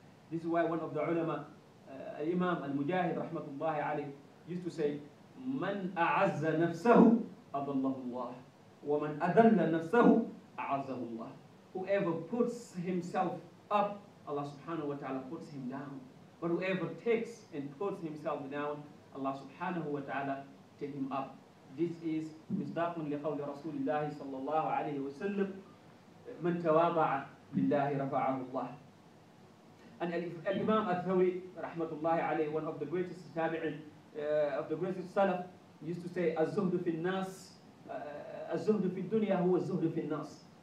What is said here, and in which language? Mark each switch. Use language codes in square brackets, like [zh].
[en] This is why one of the ulama, Imam Al-Mujahid rahmatullahi alayhi, used to say, [ar] مَنْ أَعَزَّ نَفْسَهُ أَضَلَّهُ اللَّهُ وَمَنْ أَذَلَّ نَفْسَهُ أَعَزَّهُ اللَّهُ. [en] Whoever puts himself up, Allah subhanahu wa ta'ala puts him down. But whoever takes and puts himself down, Allah subhanahu wa ta'ala take him up. This is [ar] مِصْدَاقٌ لِقَوْلِ رَسُولِ اللَّهِ صَلَّى اللَّهُ عَلَيْهِ وَسَلَّمْ مَنْ تَوَاضَعَ لِلَّهِ رَفَعَهُ اللَّهِ. [en] And Al-Imam Al-Thawri, rahmatullahi alayhi, one of the greatest tabi'in, of the greatest salaf, used to say, [ar] الزهد في الناس, الزهد في الدنيا هو الزهد في الناس.